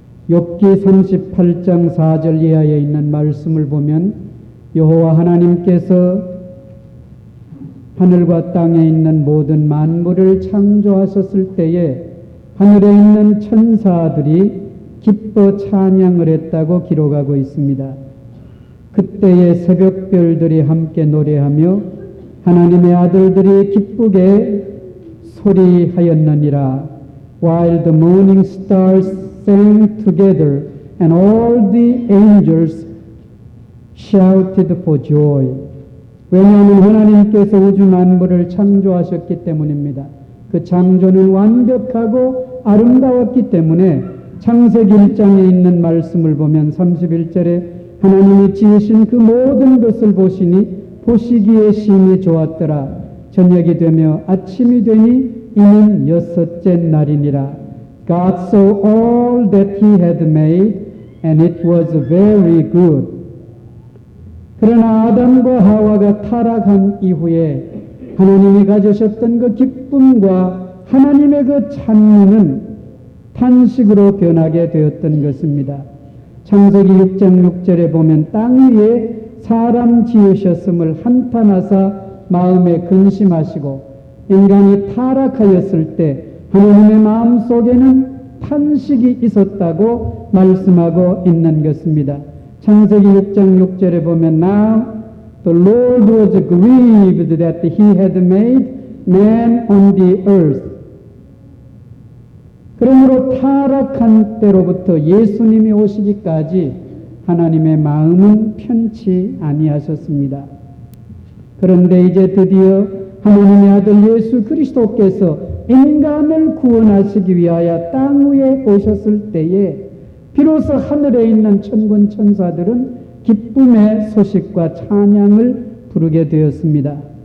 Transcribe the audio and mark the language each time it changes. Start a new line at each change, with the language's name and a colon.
Korean: 욥기 38장 4절 이하에 있는 말씀을 보면 여호와 하나님께서 하늘과 땅에 있는 모든 만물을 창조하셨을 때에 하늘에 있는 천사들이 기뻐 찬양을 했다고 기록하고 있습니다. 그때의 새벽별들이 함께 노래하며 하나님의 아들들이 기쁘게 소리하였느니라.
English: While the morning stars sang together and all the angels shouted for joy.
Korean: 왜냐하면 하나님께서 우주만물을 창조하셨기 때문입니다. 그 창조는 완벽하고 아름다웠기 때문에 창세기 1장에 있는 말씀을 보면 31절에 하나님이 지으신 그 모든 것을 보시니 보시기에 심히 좋았더라. 저녁이 되며 아침이 되니 이는 여섯째 날이니라.
English: God saw all that he had made and it was very good.
Korean: 그러나 아담과 하와가 타락한 이후에 하나님이 가지셨던 그 기쁨과 하나님의 그 찬미는 탄식으로 변하게 되었던 것입니다. 창세기 6장 6절에 보면 땅 위에 사람 지으셨음을 한탄하사 마음에 근심하시고 인간이 타락하였을 때 하나님의 마음속에는 탄식이 있었다고 말씀하고 있는 것입니다. 창세기 6장 6절에 보면
English: Now the Lord was grieved that he had made man on the earth.
Korean: 그러므로 타락한 때로부터 예수님이 오시기까지 하나님의 마음은 편치 아니하셨습니다. 그런데 이제 드디어 하나님의 아들 예수 그리스도께서 인간을 구원하시기 위하여 땅 위에 오셨을 때에 비로소 하늘에 있는 천군 천사들은 기쁨의 소식과 찬양을 부르게 되었습니다.